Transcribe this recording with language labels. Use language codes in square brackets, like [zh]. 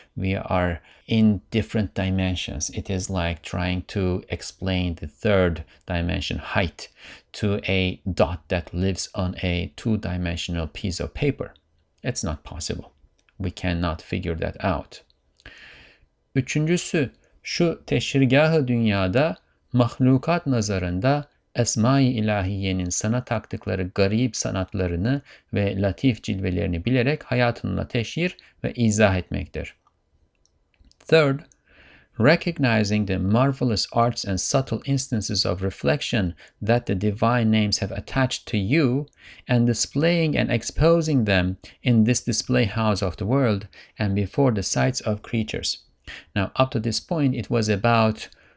[en] We are in different dimensions. It is like trying to explain the third dimension height to a dot that lives on a two-dimensional piece of paper. It's not possible. We cannot figure that out. [tr] Üçüncüsü, şu teşhirgahı dünyada mahlukat nazarında Esma-i İlahiyye'nin sana taktıkları garip sanatlarını ve latif cilvelerini bilerek hayatınla teşhir ve izah etmektir. [en] Third, recognizing the marvelous arts and subtle instances of reflection that the divine names have attached to you and displaying and exposing them in this display house of the world and before the sights of creatures. Now, up to this point, it was about